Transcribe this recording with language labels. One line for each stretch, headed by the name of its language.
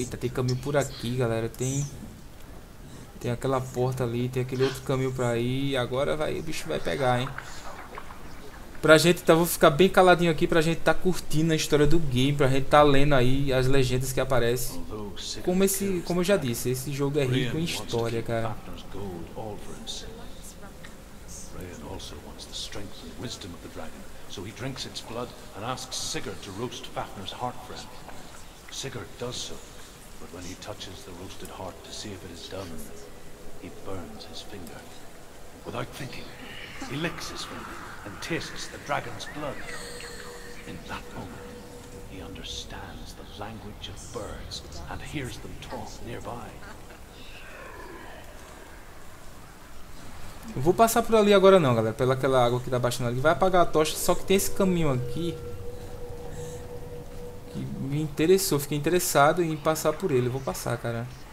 Portuguese: Eita, tem caminho por aqui, galera. Tem aquela porta ali, tem aquele outro caminho pra ir. Agora vai, o bicho vai pegar, hein. Pra gente, tá, vou ficar bem caladinho aqui pra gente tá curtindo a história do game, pra gente tá lendo aí as legendas que aparecem. Como eu já disse, esse jogo é rico em história, cara.
English: Rayan also wants the strength and wisdom of the dragon, so he drinks its blood and asks Sigurd to roast Fafnir's heart for him. Sigurd does so, but when he touches the roasted heart to see if it is done, he burns his finger. Without thinking, he licks his finger and tastes the dragon's blood. In that moment, he understands the language of birds and hears them talk nearby.
Portuguese: Não vou passar por ali agora não, galera. Pela aquela água que tá baixando ali. Vai apagar a tocha. Só que tem esse caminho aqui que me interessou. Fiquei interessado em passar por ele. Vou passar, cara.